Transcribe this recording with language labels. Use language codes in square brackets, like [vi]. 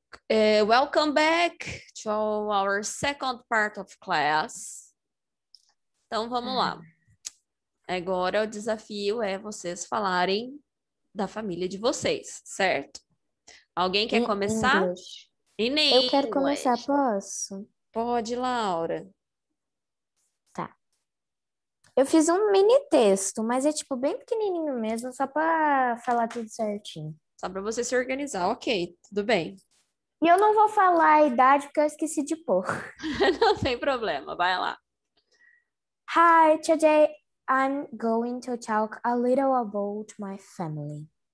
[en] Welcome back to our second part of class. [pt] Então, vamos lá. Agora o desafio é vocês falarem da família de vocês, certo? Alguém quer começar? English. Eu quero começar, posso? Pode, Laura. Tá. Eu fiz um mini texto, mas é tipo bem pequenininho mesmo, só para falar tudo certinho. Só para você se organizar, ok, tudo bem. E eu não vou falar a idade porque eu esqueci de pôr. Não tem problema, vai lá. [en] Hi, today I'm going to talk a little about my family.